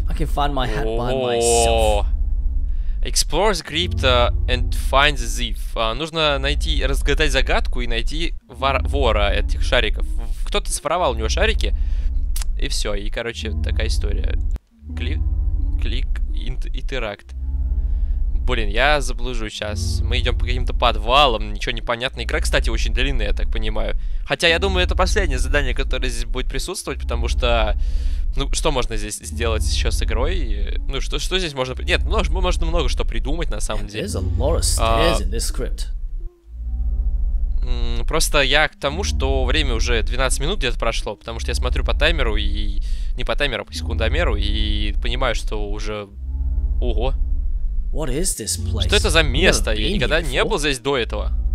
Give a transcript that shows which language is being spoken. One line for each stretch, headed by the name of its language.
English: I can find my hat by myself. Explore the crypt and find the thief.
Russian: Нужно найти, разгадать загадку и найти вора этих шариков. Кто-то своровал у него шарики. И все. И, короче, такая история. Клик, интеракт. Блин, я заблужу сейчас. Мы идем по каким-то подвалам, ничего не понятно. Игра, кстати, очень длинная, я так понимаю. Хотя, я думаю, это последнее задание, которое здесь будет присутствовать, потому что... Ну, что можно здесь сделать еще с игрой? Ну, что здесь можно... Нет, можно много что придумать, на самом деле.
English: There's a lot of stairs in this crypt.
Russian: Просто я к тому, что время уже 12 минут где-то прошло, потому что я смотрю по таймеру и... Не по таймеру, а по секундомеру, и понимаю, что уже... Ого!
English: What is this place?
Russian: Что это за место? Я никогда не был здесь до этого.